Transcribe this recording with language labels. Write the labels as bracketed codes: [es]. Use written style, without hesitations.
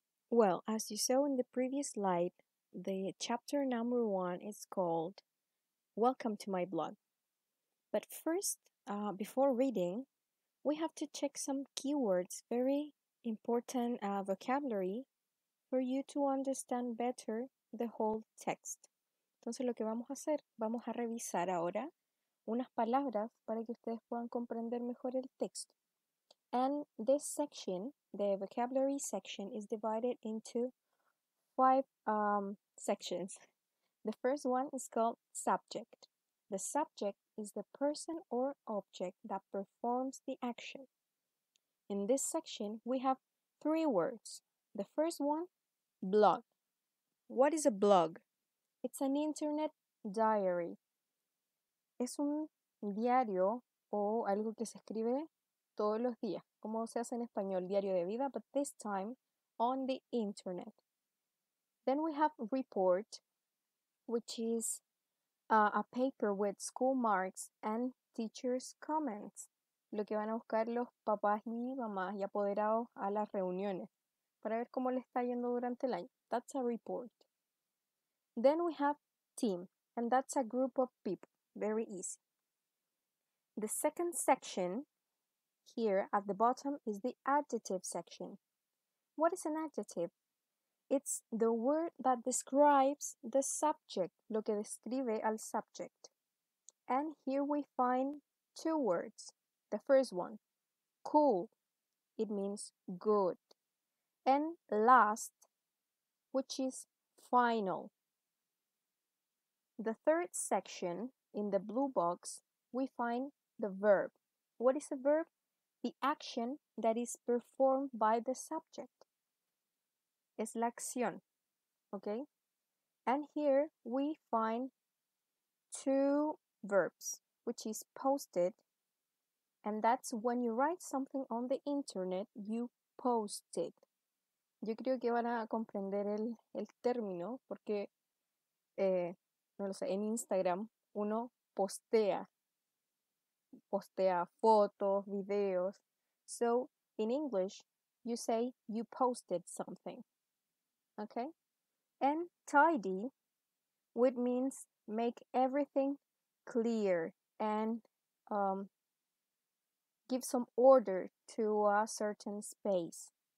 [en] Well, as you saw in the previous slide, the chapter number 1 is called Welcome to My Blog. But first, before reading, we have to check some keywords, very important vocabulary, for you to understand better the whole text. [es] Entonces lo que vamos a hacer, vamos a revisar ahora unas palabras para que ustedes puedan comprender mejor el texto. [en] And this section, the vocabulary section, is divided into 5 sections. The first one is called subject. The subject is the person or object that performs the action. In this section, we have 3 words. The first one, blog. What is a blog? It's an internet diary. [es] Es un diario o algo que se escribe todos los días, como se hace en español, diario de vida, [en] but this time on the internet. Then we have report, which is a paper with school marks and teachers' comments. [es] Lo que van a buscar los papás y mamás y apoderados a las reuniones para ver cómo le está yendo durante el año. [en] That's a report. Then we have team, and that's a group of people. Very easy. The second section here at the bottom is the adjective section. What is an adjective? It's the word that describes the subject, [es] lo que describe al subject. [en] And here we find 2 words. The first one, cool, it means good. And last, which is final. The third section in the blue box, we find the verb. What is a verb? The action that is performed by the subject. [es] Es la acción, okay? [en] And here we find 2 verbs, which is posted, and that's when you write something on the internet, you post it. [es] Yo creo que van a comprender el término, porque, no lo sé, en Instagram uno postea, fotos, videos. [en] So, in English, you say you posted something. Okay, and tidy, which means make everything clear and give some order to a certain space.